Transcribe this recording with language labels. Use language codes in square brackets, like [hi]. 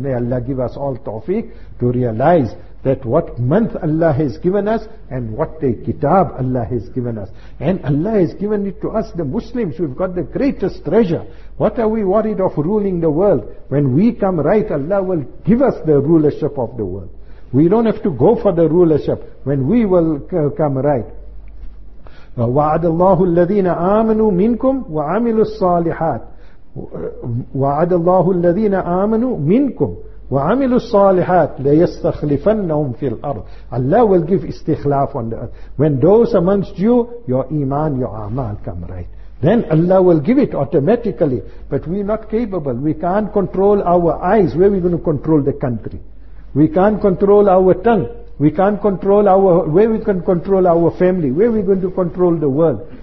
[en] May Allah give us all tawfiq to realize that what month Allah has given us, and what a kitab Allah has given us. And Allah has given it to us, the Muslims, we've got the greatest treasure. What are we worried of ruling the world? When we come right, Allah will give us the rulership of the world. We don't have to go for the rulership when we will come right. [ar] وَعَدَ اللَّهُ الَّذِينَ آمَنُوا مِنْكُمْ وَعَمِلُوا الصَّالِحَاتِ وَعَدَ اللَّهُ الَّذِينَ آمَنُوا مِنْكُمْ وَعَمِلُوا الصَّالِحَاتِ لَيَسْتَخْلِفَنَّهُمْ فِي الْأَرْضِ [en] Allah will give istikhlaf on the earth. When those amongst you, your iman, your amal come right, then Allah will give it automatically. But we're not capable. We can't control our eyes. Where are we going to control the country? We can't control our tongue. We can't control our... Where we can control our family? Where are we going to control the world?